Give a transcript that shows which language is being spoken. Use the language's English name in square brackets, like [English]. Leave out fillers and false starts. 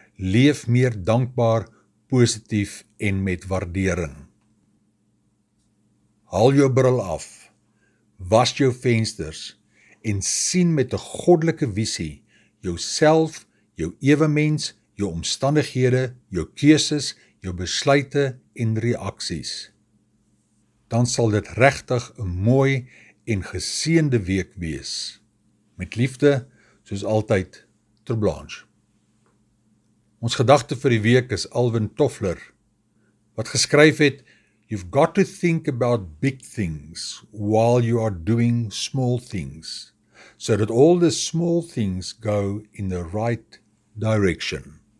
[Afrikaans] Leef meer dankbaar, positief en met waardering. Haal jou bril af, was jou vensters en sien met 'n goddelike visie jouself, jou ewemens, jou omstandighede, jou keuses, jou besluite en reaksies. Dan sal dit regtig 'n mooi en geseënde week wees. Met liefde, soos altyd, Ter Blanche. Ons gedagte vir die week is Alvin Toffler, wat geskryf het, [English] You've got to think about big things while you are doing small things, so that all the small things go in the right direction.